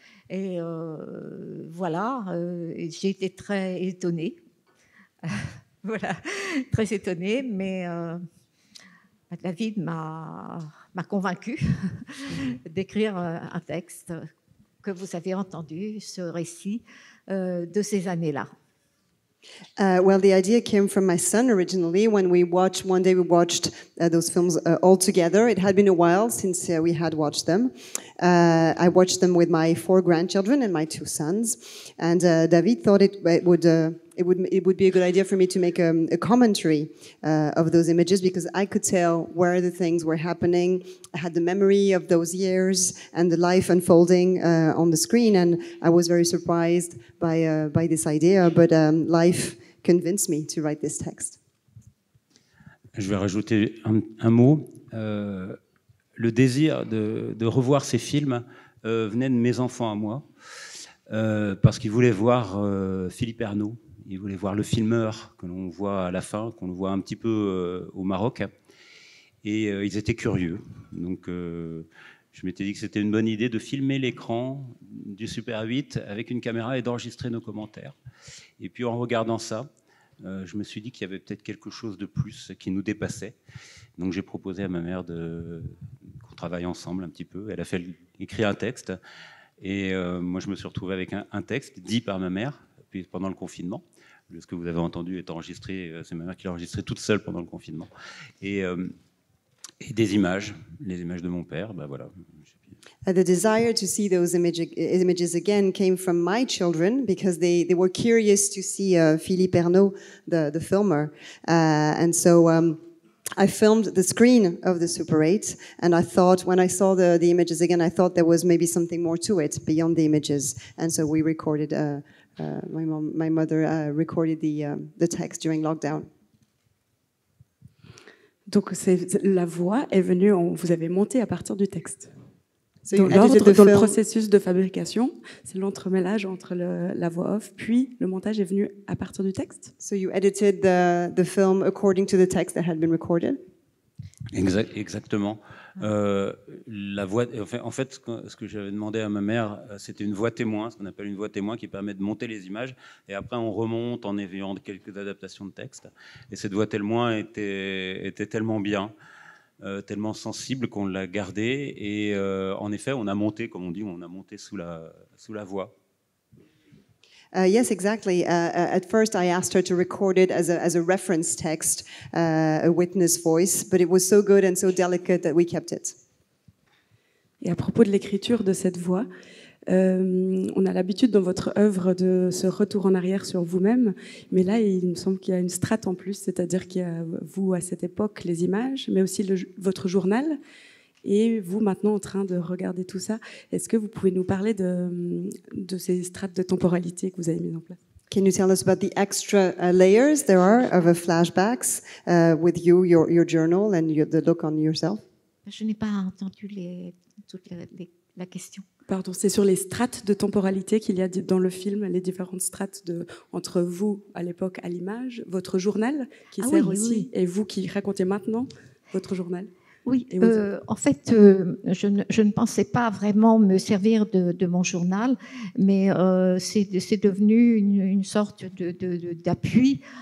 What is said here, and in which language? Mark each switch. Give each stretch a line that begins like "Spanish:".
French: Et voilà, j'ai été très étonnée. Voilà, très étonnée, mais David m'a convaincue d'écrire un texte que vous avez entendu, ce récit, de ces années-là.
English: Well, the idea came from my son originally when one day we watched those films all together. It had been a while since we had watched them. I watched them with my four grandchildren and my two sons. And David thought it would be a good idea for me to make a commentary of those images, because I could tell where the things were happening. I had the memory of those years and the life unfolding on the screen, and I was very surprised by this idea, but life convinced me to write this text.
French: Je vais rajouter un mot. Le désir de revoir ces films venait de mes enfants à moi, parce qu'ils voulaient voir Philippe Ernaud. Il voulait voir le filmeur que l'on voit à la fin, qu'on voit un petit peu au Maroc. Et ils étaient curieux. Donc je m'étais dit que c'était une bonne idée de filmer l'écran du Super 8 avec une caméra et d'enregistrer nos commentaires. Et puis en regardant ça, je me suis dit qu'il y avait peut-être quelque chose de plus qui nous dépassait. Donc j'ai proposé à ma mère qu'on travaille ensemble un petit peu. Elle a fait écrire un texte. Et moi, je me suis retrouvé avec un texte dit par ma mère. Pendant le confinement, ce que vous avez entendu est enregistré, c'est ma mère qui l'a enregistré toute seule pendant le confinement, et des images, les images de mon père, ben voilà.
English: The desire to see those images again came from my children, because they were curious to see Philippe Ernaud, the filmer, and so I filmed the screen of the Super 8, and I thought, when I saw the images again, I thought there was maybe something more to it beyond the images, and so we recorded my mother recorded the text during lockdown.
French: Donc c'est la voix est venue, vous avez monté à partir du texte.
English: So
French: dans l'ordre, dans le processus de fabrication, c'est l'entremêlage entre la voix off, puis le montage est venu à partir du texte.
English: So you edited the film according to the text that had been recorded.
French: Exactement. La voix, en fait, ce que j'avais demandé à ma mère, c'était une voix témoin, ce qu'on appelle une voix témoin, qui permet de monter les images, et après on remonte en ayant quelques adaptations de texte. Et cette voix témoin était tellement bien tellement sensible qu'on l'a gardée. Et en effet, on a monté, comme on dit, on a monté sous la voix.
English: Yes, exactly. At first, I asked her to record it as a reference text, a witness voice, but it was so good and so delicate that we kept it.
French: Et à propos de l'écriture de cette voix, on a l'habitude dans votre œuvre de ce retour en arrière sur vous-même, mais là, il me semble qu'il y a une strate en plus, c'est-à-dire qu'il y a vous à cette époque, les images, mais aussi votre journal. Et vous, maintenant, en train de regarder tout ça, est-ce que vous pouvez nous parler de ces strates de temporalité que vous avez mises en place?
English: Can you tell us about the extra layers there are of a flashbacks with you, your journal, and the look on yourself?
French: Je n'ai pas entendu toute la question. Pardon, c'est sur les strates de temporalité qu'il y a dans le film, les différentes strates entre vous, à l'époque, à l'image, votre journal, qui ah sert oui, aussi, oui. Et vous qui racontez maintenant votre journal. Oui, en fait, je ne pensais pas vraiment me servir de mon journal, mais c'est devenu une sorte d'appui